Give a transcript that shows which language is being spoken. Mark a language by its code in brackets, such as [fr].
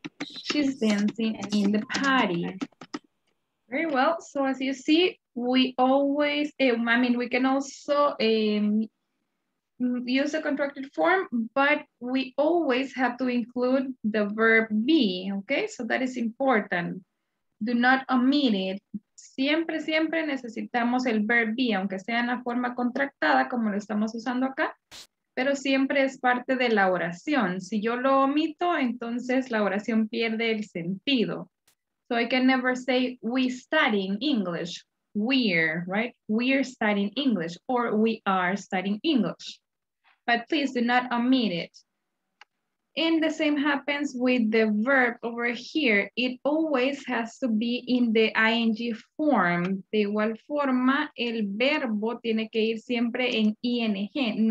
[en] She's dancing in the party. Very well. So as you see, we always, I mean, we can also use a contracted form, but we always have to include the verb be, okay? So that is important. Do not omit it. [es] Siempre, siempre necesitamos el verb be, aunque sea en la forma contractada, como lo estamos usando acá, pero siempre es parte de la oración. Si yo lo omito, entonces la oración pierde el sentido. [en] So I can never say we studying English. We're, right? We're studying English, or we are studying English. But please do not omit it. And the same happens with the verb over here. It always has to be in the ing form. [es] De igual forma, el verbo tiene que ir siempre en ing.